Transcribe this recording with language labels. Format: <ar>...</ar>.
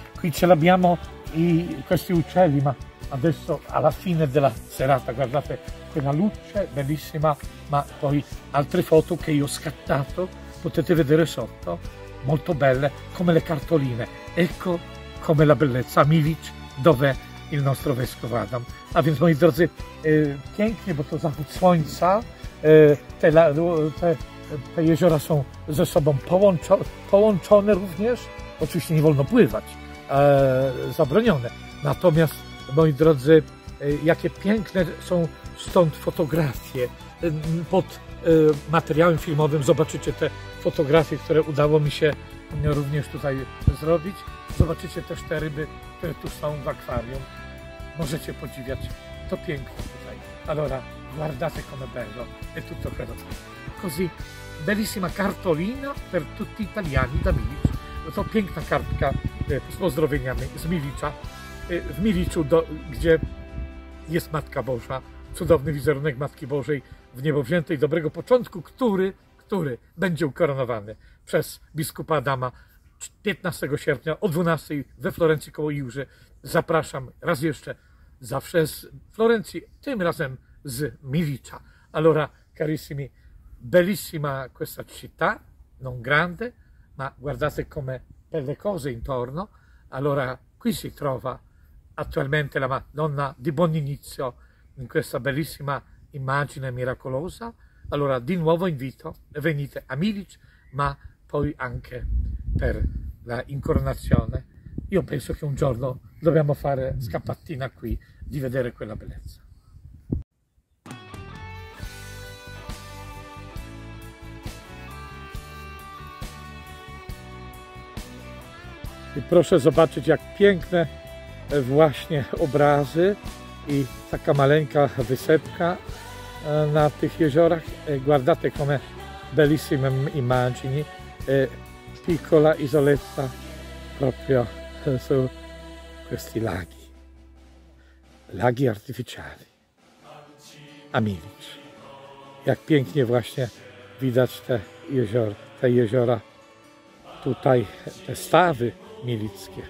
<it>Qui ce l'abbiamo questi uccelli, ma adesso alla fine della serata, guardate quella luce bellissima, ma poi altre foto che io ho scattato, potete vedere sotto, molto belle, come le cartoline. Ecco come la bellezza, Milic, dov'è il nostro vescovo Adam.</it> <pl>A więc moi drodzy, pięknie, bo to zachód słońca, te jeziora są ze sobą połączone również. Oczywiście nie wolno pływać, zabronione. Natomiast, moi drodzy, jakie piękne są stąd fotografie. Pod materiałem filmowym zobaczycie te fotografie, które udało mi się również tutaj zrobić. Zobaczycie też te ryby, które tu są w akwarium. Możecie podziwiać. To piękne tutaj.</pl> <it>Allora, guardate come bello. E tutto quello. Così. Bellissima cartolina per tutti gli italiani da Milic.</it> <pl>To piękna kartka z pozdrowieniami z Milicza. w Miliczu, gdzie jest Matka Boża, cudowny wizerunek Matki Bożej w niebo wziętej, dobrego początku, który będzie ukoronowany przez biskupa Adama 15 sierpnia o 12 we Florencji koło Iłży. Zapraszam raz jeszcze, zawsze z Florencji, tym razem z Milicza.</pl> <it>Allora, carissimi, bellissima questa città, non grande, ma guardate come per le cose intorno. Allora, qui si trova attualmente la Madonna di Buoninizio in questa bellissima immagine miracolosa. Allora, di nuovo invito, venite a Milic, ma poi anche per l'incoronazione. Io penso che un giorno dobbiamo fare scappatina qui di vedere quella bellezza.</it> <pl>I proszę zobaczyć, jak piękne właśnie obrazy i taka maleńka wysepka na tych jeziorach.</pl> <it>Guardate come bellissime immagini, piccola isoletta proprio su questi laghi. Laghi artificiali. A Milic.</it> <pl>Jak pięknie właśnie widać te jeziora tutaj, te stawy milickie.</pl>